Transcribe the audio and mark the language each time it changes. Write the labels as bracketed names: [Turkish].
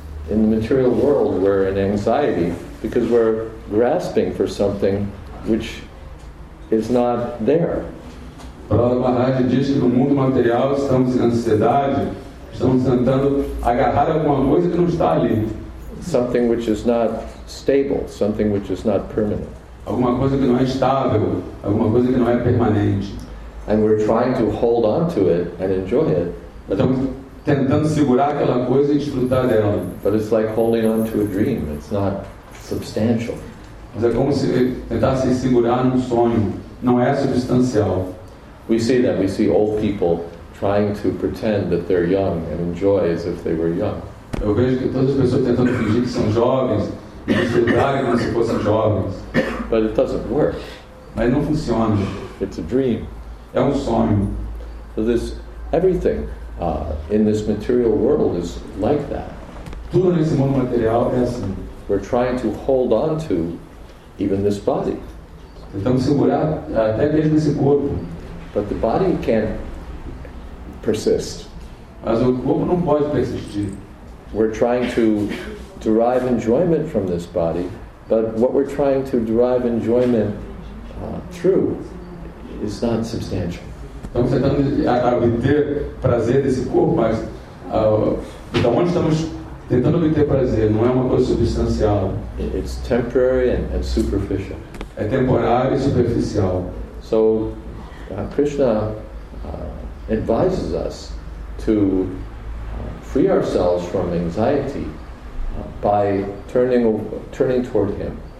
[English] In the material world, we're in anxiety because we're grasping for something which is not there. [Portuguese] Prabhupada Maharaj diz que no mundo material estamos em ansiedade, estamos tentando agarrar alguma coisa que não está ali. [English] Something which is not stable, something which is not permanent. [Portuguese] Alguma coisa que não é estável, alguma coisa que não é permanente. [English] And we're trying to hold on to it and enjoy it. [Portuguese] Estamos tentando segurar aquela coisa e desfrutar dela. [English] But it's like holding on to a dream. It's not substantial. [Portuguese] Mas é como se tentar se segurar num sonho. Não é substancial. [English] We see that. We see old people trying to pretend that they're young and enjoy as if they were young. [Portuguese] Eu vejo que todas as pessoas tentando fingir que são jovens e desfrutar como se fossem jovens. [English] But it doesn't work. [Portuguese] Mas não funciona. [English] It's a dream. [Portuguese] É um sonho. [English] So this everything in this material world is like that. [Portuguese] Tudo nesse mundo material é assim. [English] We're trying to hold on to even this body. [Portuguese] Então segurar até mesmo esse corpo. [English] But the body can persist. [Portuguese] Mas o corpo não pode persistir. [English] We're trying to derive enjoyment from this body, but what we're trying to derive enjoyment through is not substantial. [Portuguese] Estamos tentando obter prazer desse corpo, mas da onde estamos tentando obter prazer não é uma coisa substancial. [English] It's temporary and superficial. [Portuguese] É temporário e superficial. [English] So Krishna advises us to free ourselves from anxiety by turning toward Him.